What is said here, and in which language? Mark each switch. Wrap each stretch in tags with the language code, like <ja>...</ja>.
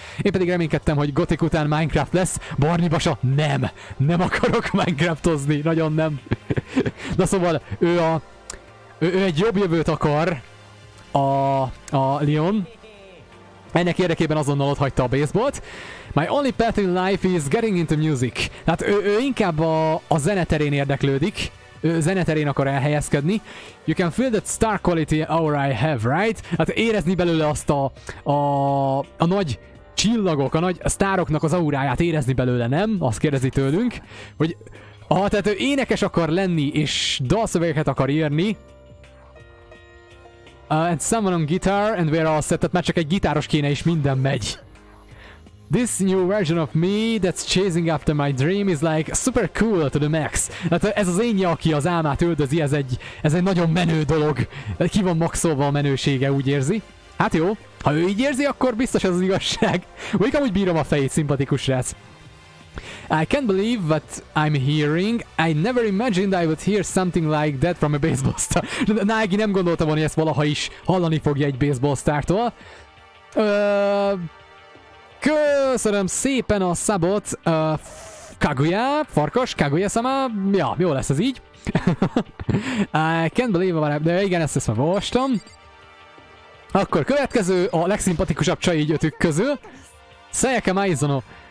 <hu>Én pedig reménykedtem, hogy Gothic után Minecraft lesz. Barni basa, nem. Nem akarok Minecraftozni, nagyon nem. Na szóval, ő egy jobb jövőt akar. A Leon. Ennek érdekében azonnal ott hagyta a baseballt.</hu> <en>My only path in life is getting into music.</en> <hu>Hát ő inkább a zeneterén érdeklődik. Ő zeneterén akar elhelyezkedni.</hu> <en>You can feel that star quality aura I have, right?</en> <hu>Hát érezni belőle azt a nagy csillagok, a nagy sztároknak az auráját érezni belőle, nem? Azt kérdezi tőlünk. Hogy, tehát ő énekes akar lenni és dalszövegeket akar írni.</hu> <en>And someone on guitar and we're all set.</en> <hu>Tehát már csak egy gitáros kéne és minden megy.</hu> <en>This new version of me that's chasing after my dream is like super cool to the max.</en> <hu>Hát ez az énje, aki az álmát üldözi, ez egy nagyon menő dolog. Ki van maxolva a menősége, úgy érzi. Hát jó, ha ő így érzi, akkor biztos ez az igazság. Vagy amúgy bírom a fejét, szimpatikus rác.</hu> <en>I can't believe what I'm hearing. I never imagined I would hear something like that from a baseball star.</en> <hu>Nagy, nem gondoltam, hogy ezt valaha is hallani fogja egy baseball sztártól. Köszönöm szépen a szabot, Kaguya, Farkas, Kaguya-sama, ja, jó lesz ez így.</hu> <en>I can't believe what I...</en> <hu>De igen, ezt már olvastam. Akkor következő a legszimpatikusabb csai ötük közül. Sayaka Maizono.</hu>